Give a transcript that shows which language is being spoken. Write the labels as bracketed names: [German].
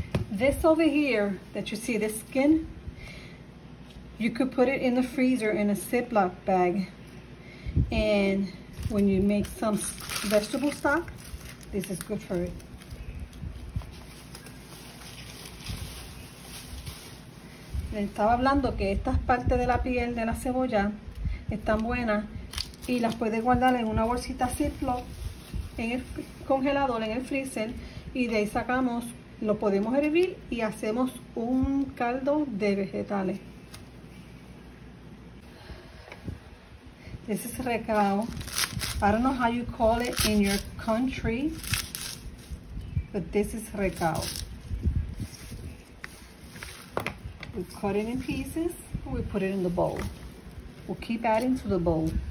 [English] This over here that you see, this skin, you could put it in the freezer in a Ziploc bag. And when you make some vegetable stock, this is good for it. [Spanish] Les estaba hablando que estas partes de la piel de la cebolla están buenas y las puedes guardar en una bolsita Ziploc en el congelador, en el freezer, y de ahí sacamos, lo podemos hervir y hacemos un caldo de vegetales. [English] This is recao. I don't know how you call it in your country, but this is recao. We cut it in pieces, and we put it in the bowl. We'll keep adding to the bowl.